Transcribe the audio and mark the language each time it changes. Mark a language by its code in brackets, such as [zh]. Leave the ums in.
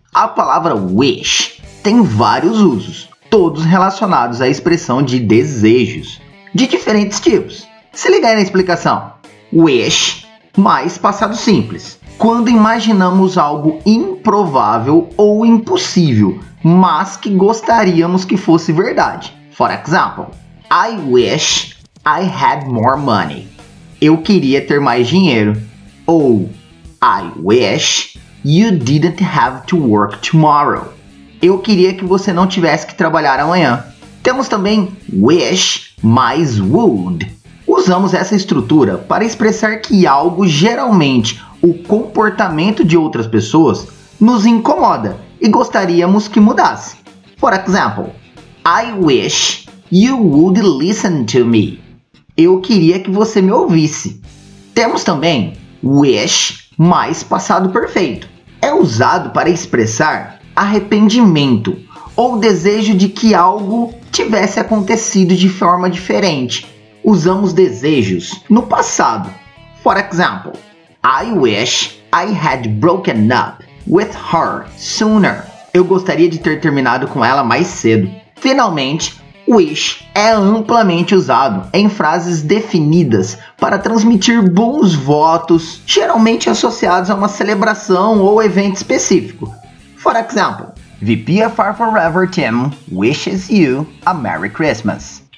[pt] A palavra wish tem vários usos todos relacionados à expressão de desejos, de diferentes tipos. Se liga aí na explicação. Wish mais passado simples. Quando imaginamos algo improvável ou impossível, mas que gostaríamos que fosse verdade. [en] For example, I wish I had more money. [pt] Eu queria ter mais dinheiro. [en] Ou I wish you didn't have to work tomorrow. [pt] Eu queria que você não tivesse que trabalhar amanhã. Temos também wish mais would. Usamos essa estrutura para expressar que algo, geralmente o comportamento de outras pessoas, nos incomoda e gostaríamos que mudasse. Por exemplo, [en] I wish you would listen to me. [pt] Eu queria que você me ouvisse. Temos também wish mais passado perfeito. É usado para expressar arrependimento ou desejo de que algo tivesse acontecido de forma diferente. Usamos desejos no passado. [en] For example, I wish I had broken up with her sooner. [pt] Eu gostaria de ter terminado com ela mais cedo. Finalmente, wish é amplamente usado em frases definidas para transmitir bons votos, geralmente associados a uma celebração ou evento específico. [en] For example, VPFI Forever team wishes you a Merry Christmas.